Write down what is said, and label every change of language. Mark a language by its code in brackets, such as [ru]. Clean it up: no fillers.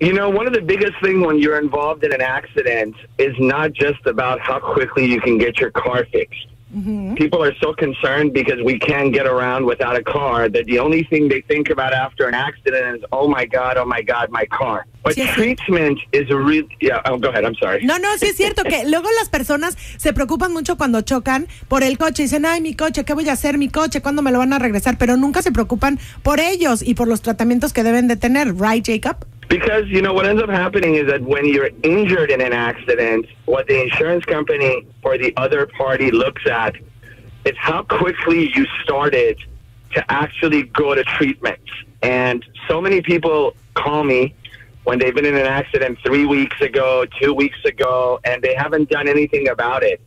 [en] You know, one of the biggest things when you're involved in an accident is not just about how quickly you can get your car fixed. Mm-hmm. People are so concerned because we can't get around without a car that the only thing they think about after an accident is, oh my God, my car. But sí, treatment is a real... Yeah, oh, go ahead, I'm sorry. [es] No, no, sí es cierto que luego las personas se preocupan mucho cuando chocan por el coche. Dicen, ay, mi coche, ¿qué voy a hacer? Mi coche, ¿cuándo me lo van a regresar? Pero nunca se preocupan por ellos y por los tratamientos que deben de tener. [en] Right, Jacob? Because, you know, what ends up happening is that when you're injured in an accident, what the insurance company or the other party looks at is how quickly you started to actually go to treatment. And so many people call me when they've been in an accident 3 weeks ago, 2 weeks ago, and they haven't done anything about it.